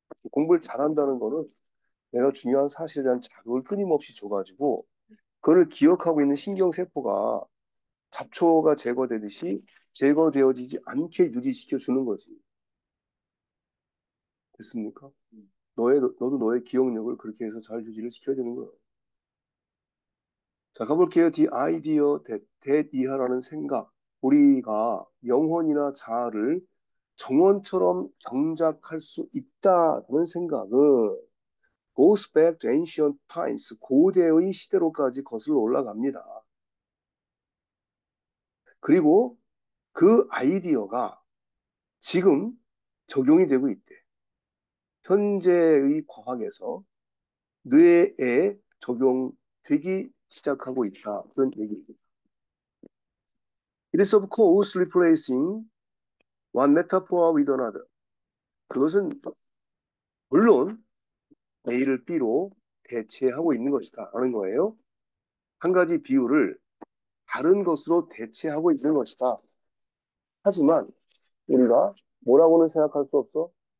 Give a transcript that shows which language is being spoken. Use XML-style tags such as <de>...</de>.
<ko>공부를 잘한다는 거는 내가 중요한 사실에 대한 자극을 끊임없이 줘가지고 그걸 기억하고 있는 신경세포가 잡초가 제거되듯이 제거되어지지 않게 유지시켜주는 거지. 됐습니까? 너도 너의 기억력을 그렇게 해서 잘 유지를 시켜야 되는 거야. 자, 가볼게요.</ko> <en>The idea that</en> <ko>이하라는 생각. 우리가 영혼이나 자아를 정원처럼 경작할 수 있다는 생각은</ko> <en>goes back to ancient times.</en> <ko>고대의 시대로까지 거슬러 올라갑니다. 그리고 그 아이디어가 지금 적용이 되고 있대. 현재의 과학에서 뇌에 적용되기 시작하고 있다. 그런 얘기입니다.</ko> <en>It is of course replacing one metaphor with another.</en> <ko>그것은 물론 A를 B로 대체하고 있는 것이다. 라는 거예요. 한 가지 비유를 다른 것으로 대체하고 있는 것이다. 하지만 우리가 뭐라고는 생각할 수 없어.</ko>